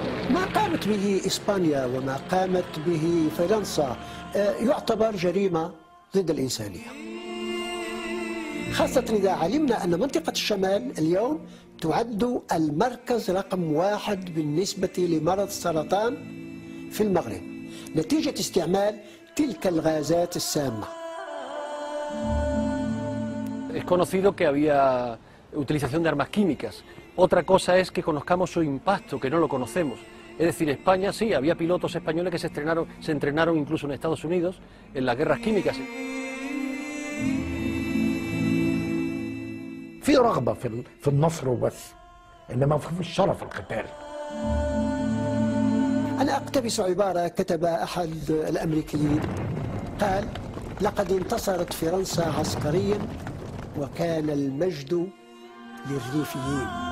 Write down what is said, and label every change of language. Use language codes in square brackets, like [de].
[ar] ما قامت به إسبانيا وما قامت به فرنسا يعتبر جريمة ضد الإنسانية، خاصة إذا علمنا أن منطقة الشمال اليوم تعد المركز رقم 1 بالنسبة لمرض السرطان في المغرب نتيجة استعمال تلك الغازات السامة. [es] Es conocido que había utilización de armas químicas. Otra cosa es que conozcamos su impacto, que no lo conocemos. Es decir, España sí, había pilotos españoles que se entrenaron incluso en Estados Unidos en las guerras químicas. [ar] في رغبة في النصر وبس، إنما في الشرف القتال. أنا أقتبس عبارة كتب أحد الأمريكيين، قال: لقد انتصرت فرنسا عسكريا وكان المجد للريفيين.